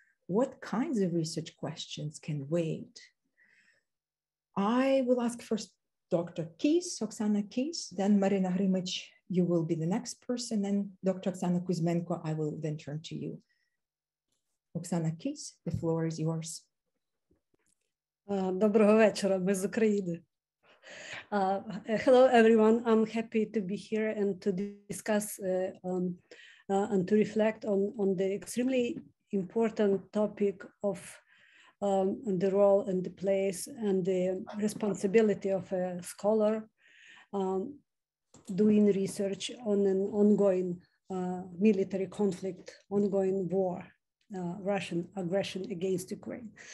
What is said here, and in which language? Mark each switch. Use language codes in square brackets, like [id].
[en] What kinds of research questions can wait? I will ask first Dr. Kis, Oksana Kis, then Maryna Hrymych, you will be the next person, and Dr. Oksana Kuzmenko, I will then turn to you. Oksana Kis, the floor is yours. [uk] Доброго вечора, ми з України. [en] Hello everyone, I'm happy to be here and to discuss and to reflect on the extremely important topic of the role and the place and the responsibility of a scholar doing research on an ongoing military conflict, ongoing war, Russian aggression against Ukraine.